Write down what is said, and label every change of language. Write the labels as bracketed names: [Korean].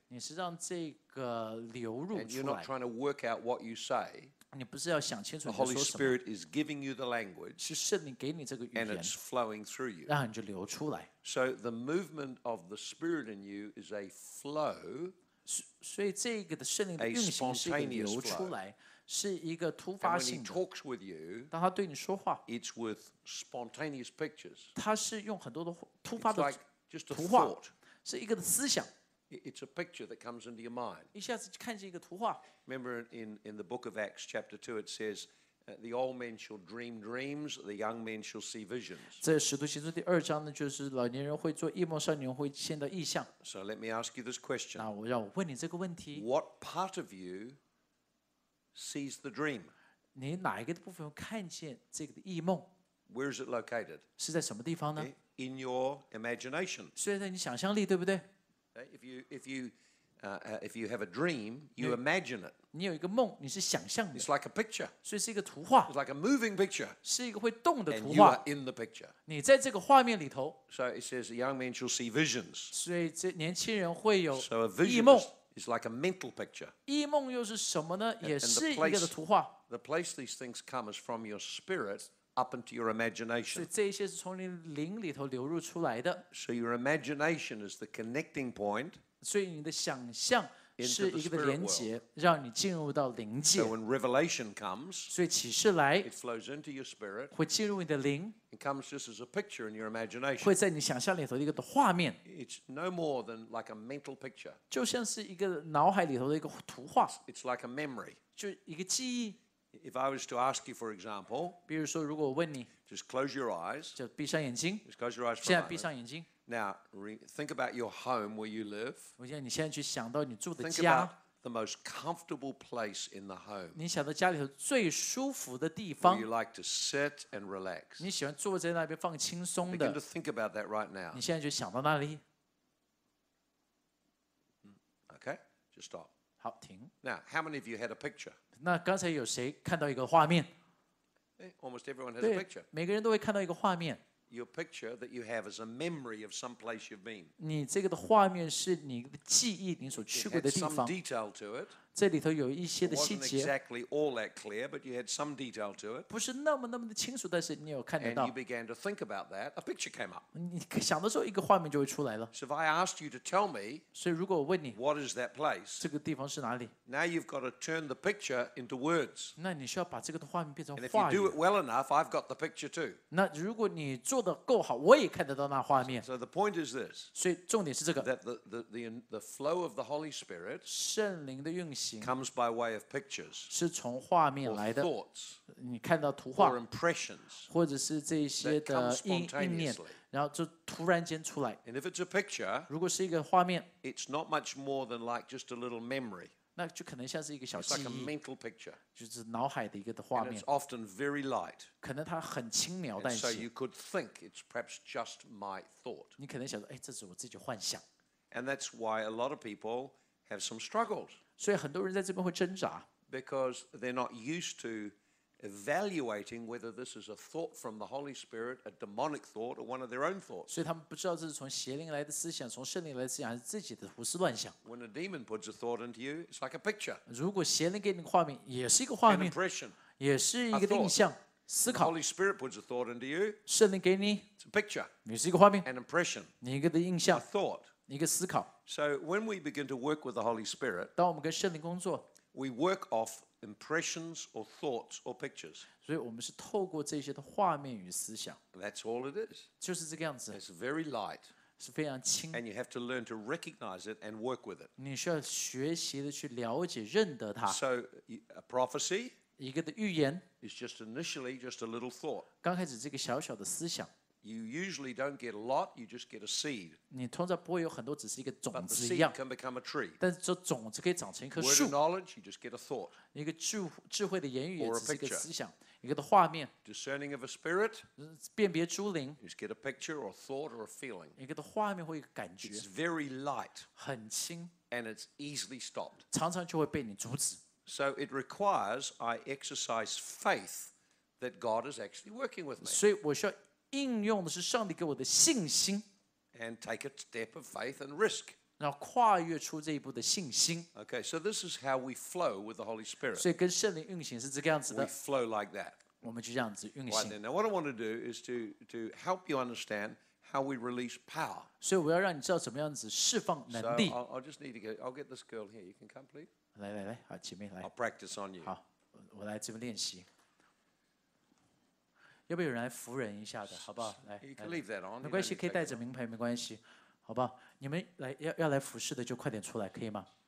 [Chinese] 你是让这个流入出来 [English] And you're not trying to work out what you say. [Chinese] 你不是要想清楚 [English] The Holy Spirit is giving you the language. [Chinese] 是圣灵给你这个语言 [English] And it's flowing through you. [Chinese] 让你就流出来 [English] So the movement of the Spirit in you is a flow. [Chinese] 所以这个的圣灵的运行是一个流出来 [English] A spontaneous flow. [Chinese] 是一个突发性的。 [English] Talks with you, [Chinese] 当他对你说话 [English] it's with spontaneous pictures. [Chinese] 他是用很多的突发的图画 [English] It's like just a [Chinese] thought. 是一个的思想。 [English] It's a picture that comes into your mind. [Chinese] 一下子看见一个图画。 [English] Remember in the book of Acts chapter 2 it says, the old men shall dream dreams, the young men shall see visions. [Chinese] 在使徒行传第二章呢就是老年人会做异梦少年人会见到异象。 [English] So let me ask you this question. [Chinese] 那我让我问你这个问题。 [English] What part of you sees the dream. [Chinese] 你哪一个部分看见这个的异梦 [English] Where is it located? [Chinese] 是在什么地方呢 [English] In your imagination. [Chinese] 是在你想象力对不对 [English] If you have a dream, you imagine it. [Chinese] 你有一个梦你是想象的 [English] It's like a picture. [Chinese] 所以是一个图画 [English] It's like a moving picture. [Chinese] 是一个会动的图画 [English] And you are in the picture. [Chinese] 你在这个画面里头 [English] So it says a young man shall see visions. [Chinese] 所以这年轻人会有异梦 [English] So a vision is like a mental picture. [Chinese] 异梦又是什么呢？也是一个的图画。 [English] The place these things come is from your spirit up into your imagination. [Chinese] 所以这些是从你灵里头流入出来的。 [English] So your imagination is the connecting point. [Chinese] 所以你的想象是一个的连接，让你进入到灵界。 [English] So when revelation comes, [Chinese] 所以启示来 [English] it flows into your spirit, [Chinese] 会进入你的灵。 [English] It comes just as a picture in your imagination. [Chinese] 会在你想象里头的一个的画面。 [English] It's no more than like a mental picture. [Chinese] 就像是一个脑海里头的一个图画。 [English] It's like a memory. [Chinese] 就一个记忆。 [English] If I was to ask you, for example, [Chinese] 比如说如果我问你 [English] just close your eyes. [Chinese] 就闭上眼睛。 [English] Just close your eyes for a [Chinese] moment. 现在闭上眼睛。 [English] Now, think about your home where you live. [Chinese] 我想你现在去想到你住的家。 [English] Think about the most comfortable place in the home. [Chinese] 你想到家里头最舒服的地方。 [English] Where you like to sit and relax. [Chinese] 你喜欢坐在那边放轻松的。 [English] Begin to think about that right now. [Chinese] 你现在就想到那里。 [English] Okay, just stop. [Chinese] 好，停。 [English] Now, how many of you had a picture? [Chinese] 那刚才有谁看到一个画面？ [English] Almost everyone has a picture. [Chinese] 每个人都会看到一个画面。 [English] Your picture that you have is a memory of some place you've been. [Chinese] 你这个的画面是你的记忆，你所去过的地方。 [English] It had some detail to it. [Chinese] 这里头有一些的细节。 [English] It wasn't exactly all that clear, but you had some detail to it. [Chinese] 不是那么的清楚，但是你有看得到。 [English] And you began to think about that, a picture came up. [Chinese] 你想的时候，一个画面就会出来了。 [English] So if I asked you to tell me, [Chinese] 所以如果我问你 [English] ，What is that place? [Chinese] 这个地方是哪里 [English] ？Now you've got to turn the picture into words. [Chinese] 那你需要把这个的画面变成 [English] 画面。And if you do it well enough, I've got the picture too. [Chinese] 那如果你做的够好，我也看得到那画面。 [English] So the point is this. [Chinese] 所以重点是这个。 [English] That the flow of the Holy Spirit [Chinese] 圣灵的运行 [English] comes by way of pictures [Chinese] 是从画面来的。 [English] Or thoughts [Chinese] 你看到图画。 [English] Or impressions [Chinese] 或者是这些的意念，然后就突然间出来。 [English] And if it's a picture, [Chinese] 如果是一个画面 [English] it's not much more than like just a little memory. [Chinese] 那就可能像是一个小记忆。 [English] It's like a mental picture. [Chinese] 就是脑海的一个的画面。 [English] And it's often very light. [Chinese] 可能它很轻描淡写。 [English] And so you could think it's perhaps just my thought. [Chinese] 你可能想说，哎，这是我自己幻想。 [English] And that's why a lot of people have some struggles. [Chinese] 所以很多人在这边会挣扎。 [English] Because they're not used to evaluating whether this is a thought from the Holy Spirit, a demonic thought, or one of their own thoughts. [Chinese] 所以他们不知道这是从邪灵来的思想，从圣灵来的思想，还是自己的胡思乱想。 [English] When a demon puts a thought into you, it's like a picture. [Chinese] 如果邪灵给你画面，也是一个画面。 [English] An impression. [Chinese] 也是一个印象。思考。 [English] The Holy Spirit puts a thought into you. [Chinese] 圣灵给你。 [English] It's a picture. [Chinese] 也是一个画面。 [English] An impression. [Chinese] 你一个的印象。 [English] A thought. [Chinese] 一个思考。 [English] So when we begin to work with the Holy Spirit, [Chinese] 当我们跟圣灵工作。 [English] We work off impressions or thoughts or pictures. [Chinese] 所以我们是透过这些的画面与思想。 [English] That's all it is. [Chinese] 就是这个样子。 [English] It's very light. [Chinese] 是非常轻。 [English] And you have to learn to recognize it and work with it. [Chinese] 你需要学习的去了解、认得它。 [English] So a prophecy [Chinese] 一个的预言 [English] is just initially just a little thought. [Chinese] 刚开始这个小小的思想。 [English] You usually don't get a lot, you just get a seed. [Chinese] 你通常不会有很多，只是一个种子一样。 [English] But the seed can become a tree. [Chinese] 但是这种子可以长成一棵树。 [English] Word of knowledge, you just get a thought. [Chinese] 一个智慧的言语也只是一个思想，一个的画面。 [English] Discerning of a spirit, [Chinese] 辨别诸灵。 [English] You just get a picture or a thought or a feeling. [Chinese] 一个的画面或一个感觉。 [English] It's very light. [Chinese] 很轻。 [English] And it's easily stopped. [Chinese] 常常就会被你阻止。 [English] So it requires I exercise faith that God is actually working with me. [Chinese] 所以我需要。应用的是上帝给我的信心 [English] ，and take a step of faith and risk， [Chinese] 然后跨越出这一步的信心。 [English] Okay, so this is how we flow with the Holy Spirit。 [Chinese] 所以跟圣灵运行是这个样子的。 [English] We flow like that。 [Chinese] 我们就这样子运行。 [English] Right, now, what I want to do is to help you understand how we release power。 [Chinese] 所以我要让你知道怎么样子释放能力。 [English] So I'll just need to get, I'll get this girl here. You can come, please. [Chinese] 来来来，好，姐妹来。 [English] I'll practice on you. [Chinese] 好，我来这边练习。要不要有人来扶人一下的，好不好？来， [English] you can leave that on, [Chinese] 没关系，可以带着名牌，没关系，好不好？你们来 要来服侍的就快点出来，可以吗